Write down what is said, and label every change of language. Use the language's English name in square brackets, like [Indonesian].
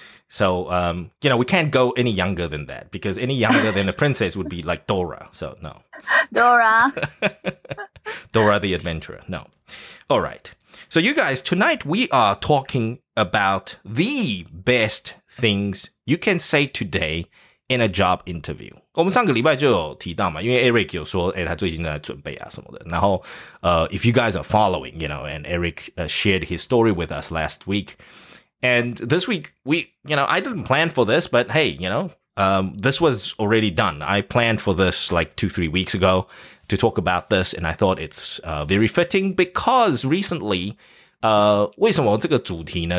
[English] So, you know, we can't go any younger than that because any younger than a princess would be like Dora. So, no. Dora the Adventurer. No. All right. So you guys, tonight we are talking about the best things you can say today in a job interview. [Chinese] 我们上个礼拜就有提到嘛，因为 Eric 有说，哎，他最近在准备啊什么的。然后， [English] if you guys are following, you know, and Eric shared his story with us last week, and this week I didn't plan for this, but hey, you know, this was already done. I planned for this like 2-3 weeks ago to talk about this, and I thought it's very fitting because recently, [Chinese] 为什么这个主题呢？